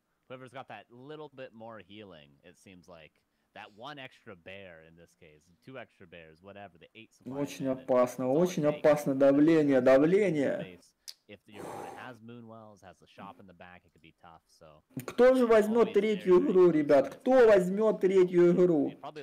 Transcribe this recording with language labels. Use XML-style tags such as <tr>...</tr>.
<en>Whoever's got that little bit more healing, it seems like. That one extra bear in this case, two extra bears, whatever, the eight supply.</en> <ru>Очень опасно, очень опасно давление, давление.</ru> <en>If your opponent has Moonwells, has the shop in the back, it could be tough, so.</en> <ru>Кто же возьмет третью игру, ребят? Кто возьмет третью игру?</ru>